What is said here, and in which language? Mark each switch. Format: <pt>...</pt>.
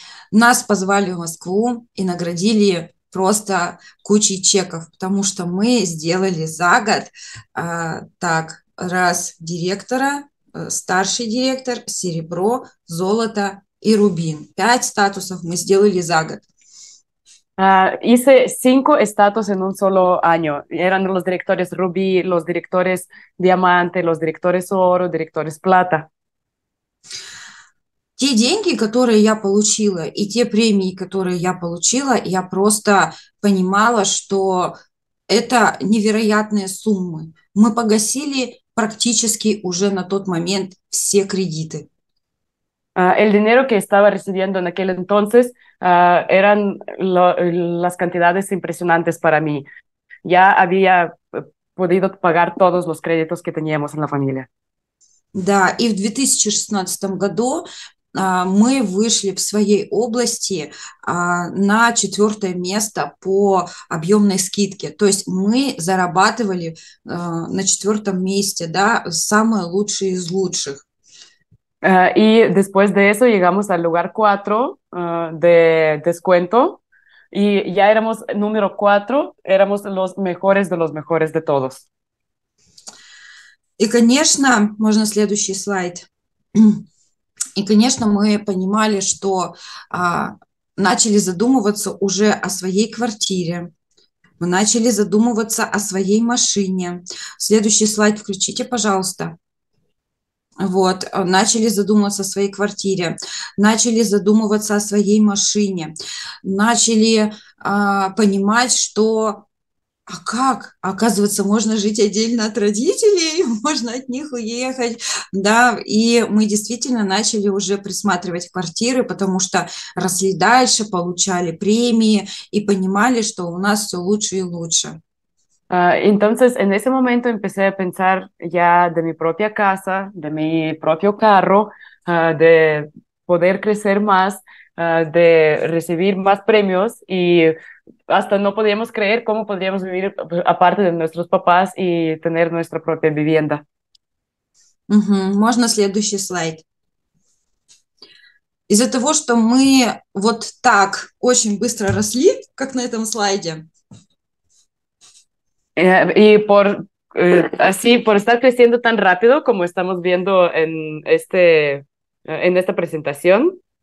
<ru>Нас позвали в Москву и наградили просто кучей чеков, потому что мы сделали за год, так, раз директора, старший директор, серебро, золото и рубин. Пять статусов мы сделали за год.</ru> <es>Hice 5 estatus en un solo año. Eran los directores rubí, los directores diamante, los directores oro, directores plata.</es> <ru>Те деньги, которые я получила, и те премии, которые я получила, я просто понимала, что это невероятные суммы. Мы погасили практически уже на тот момент все кредиты.</ru> <es>El dinero que estaba recibiendo en aquel entonces eran las cantidades impresionantes para mí. Ya había podido pagar todos los créditos que teníamos en la familia.</es> <ru>Да, и в 2016 году мы вышли в своей области на четвертое место по объемной скидке. То есть мы зарабатывали на четвертом месте, да, самые лучшие из лучших.</ru> <es>Y después de eso llegamos al lugar 4 de descuento y ya éramos número 4, éramos los mejores de los mejores de todos.</es> <ru>И, конечно, можно следующий слайд. И, конечно, мы понимали, что начали задумываться уже о своей квартире. Мы начали задумываться о своей машине. Следующий слайд включите, пожалуйста. Вот, начали задумываться о своей квартире. Начали задумываться о своей машине. Начали понимать, что... А как? Оказывается, можно жить отдельно от родителей, можно от них уехать, да, и мы действительно начали уже присматривать квартиры, потому что росли дальше, получали премии и понимали, что у нас все лучше и лучше.</ru> <es>Entonces, en ese momento empecé a pensar ya de mi propia casa, de mi propio carro, de poder crecer más, de recibir más premios y hasta no podíamos creer cómo podríamos vivir aparte de nuestros papás y tener nuestra propia vivienda.</es> <ru>Можно следующий слайд. Из-за того, что мы вот так очень быстро росли, как на этом слайде.</ru> <es>Y por así, por estar creciendo tan rápido como estamos viendo en esta presentación.</es>